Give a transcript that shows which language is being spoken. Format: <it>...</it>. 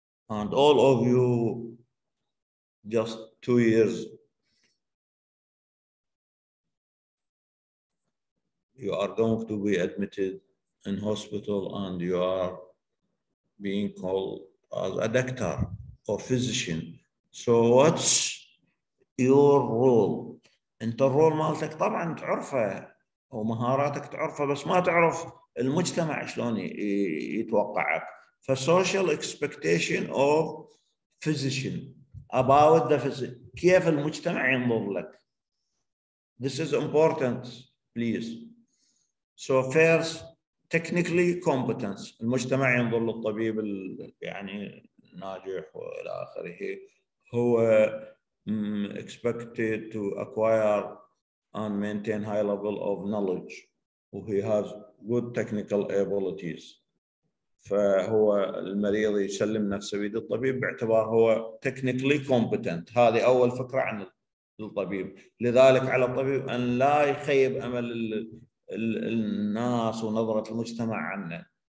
<en>And all of you just 2 years You are going to be admitted in hospital and you are being called as a doctor or physician. So what's your role?</en> <ar>انت الرول مالتك طبعا تعرفه ومهاراتك تعرفه، بس ما تعرف المجتمع شلون يتوقعك.</ar> <en>ف social expectation of physician about the physician.</en> <ar>كيف المجتمع ينظر لك؟</ar> <en>This is important, please. So first, technically competence.</en> <ar>المجتمع ينظر للطبيب يعني ناجح وإلى آخره.</ar> <en>هو expected to acquire and maintain high level of knowledge. He has good technical abilities.</en> <ar>فهو المريض يسلم نفسه بيد الطبيب باعتبار هو</ar> <en>technically competent.</en> <ar>هذه أول فكرة عن الطبيب. لذلك على الطبيب أن لا يخيب أمل الناس ونظرة المجتمع عنه.</ar>